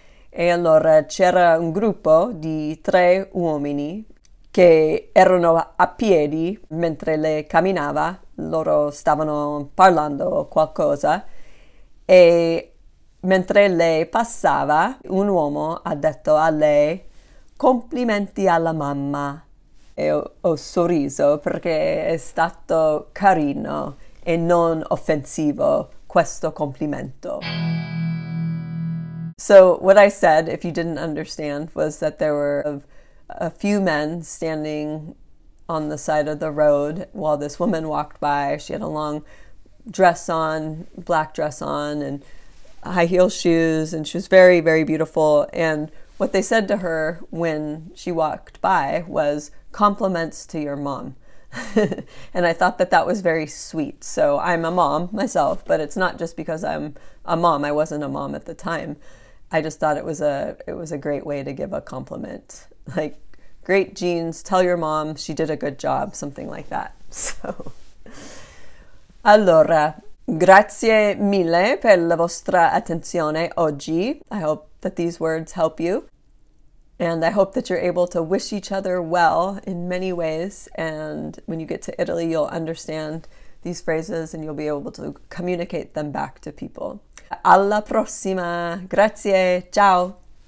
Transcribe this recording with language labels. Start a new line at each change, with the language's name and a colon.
Italian: E allora c'era un gruppo di tre uomini che erano a piedi mentre lei camminava, loro stavano parlando qualcosa, e mentre lei passava, un uomo ha detto a lei, complimenti alla mamma. E ho sorriso perché è stato carino e non offensivo questo complimento.
English: So what I said, if you didn't understand, was that there were a few men standing on the side of the road while this woman walked by. She had a long dress on, black dress on, and high heel shoes, and she was very, very beautiful. And what they said to her when she walked by was, compliments to your mom. And I thought that that was very sweet. So I'm a mom myself, but it's not just because I'm a mom. I wasn't a mom at the time. I just thought it was a great way to give a compliment. Like, great jeans, tell your mom she did a good job, something like that.
Italian: So, allora, grazie mille per la vostra attenzione oggi.
English: I hope that these words help you. And I hope that you're able to wish each other well in many ways. And when you get to Italy, you'll understand these phrases and you'll be able to communicate them back to people.
Italian: Alla prossima. Grazie. Ciao.